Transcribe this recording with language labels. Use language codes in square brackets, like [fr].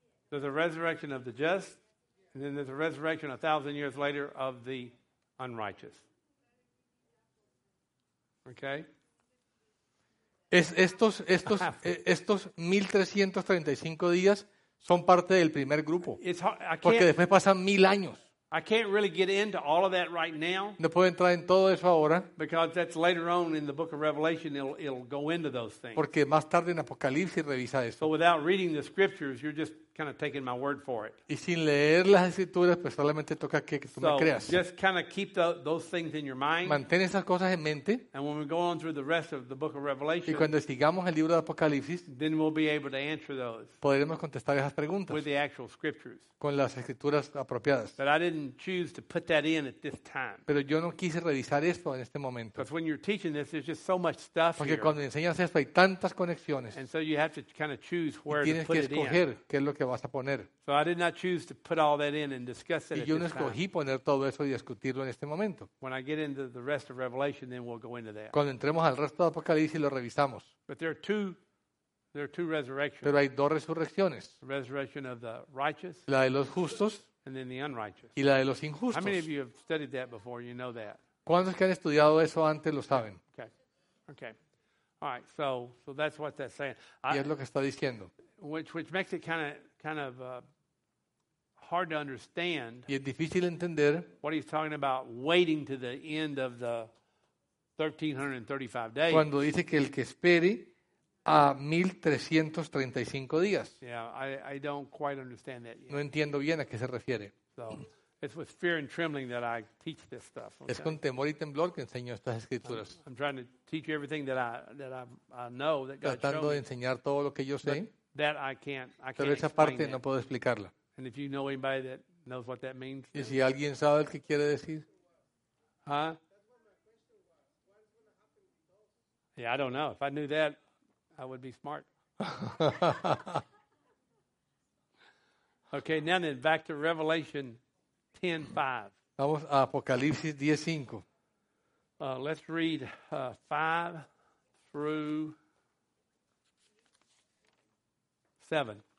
[en] There's a resurrection of the just, and then there's a resurrection 1,000 years later of the unrighteous. Okay. [es] Estos 1,335 días son parte del primer grupo, porque después pasan mil años. [en] I can't really get into all of that right now. [es] No puedo entrar en todo eso ahora. [en] Because that's later on in the book of Revelation, it'll go into those things. [es] Porque más tarde en Apocalipsis revisa eso. [en] So without reading the scriptures, you're just kind of taking my word for it. [es] Y sin leer las escrituras, pues solamente toca que tú me creas. [en] Just kind of keep those things in your mind. [es] Mantén esas cosas en mente. [en] And when we go on through the rest of the book of Revelation. [es] Y cuando sigamos el libro de Apocalipsis, [en] then we'll be able to answer those. [es] Podremos contestar esas preguntas. [en] With the actual scriptures. [es] Con las escrituras apropiadas. [en] But I didn't choose to put that in at this time. [es] Pero yo no quise revisar esto en este momento. [en] Because when you're teaching this, there's just so much stuff [es] porque [en] here. [es] Cuando enseñas esto, hay tantas conexiones. [en] And so you have to kind of choose where to put it in. [es] Tienes que escoger qué es lo que vas a poner. [en] So I did not choose to put all that in and discuss it. [es] Y yo no escogí poner todo eso y discutirlo en este momento. [en] When I get into the rest of Revelation, then we'll go into that. [es] Cuando entremos al resto de Apocalipsis lo revisamos. [en] But there are two resurrections. [es] Pero hay dos resurrecciones. [en] The resurrection of the righteous. [es] La de los justos. [en] And then the unrighteous. [es] Y la de los injustos. [en] How many of you have studied that before? You know that. [es] ¿Cuántos que han estudiado eso antes lo saben? [en] Okay. All right. So that's what that's saying. [es] Y es lo que está diciendo. [en] Which makes it kind of hard to understand. [es] Y es difícil entender [en] what he's talking about waiting to the end of the 1335 days. [es] Cuando dice que el que espere a 1335 días. [en] Yeah, I don't quite understand that yet. [es] No entiendo bien a qué se refiere. [en] So, it's with fear and trembling that I teach this stuff. Okay? [es] Es con temor y temblor que enseño estas escrituras. [en] I'm trying to teach you everything that I know that God showed. [es] Tratando de enseñar todo lo que yo sé. [en] That I can't [es] pero esa parte [en] that. [es] No puedo explicarla. [en] And if you know anybody that knows what that means. [es] ¿Y si alguien sabe el que quiere decir? [en] Huh? Yeah, I don't know. If I knew that, I would be smart. Okay, now then, back to Revelation 10:5. [es] Vamos a Apocalipsis 10:5. [en] Let's read 5 through 7.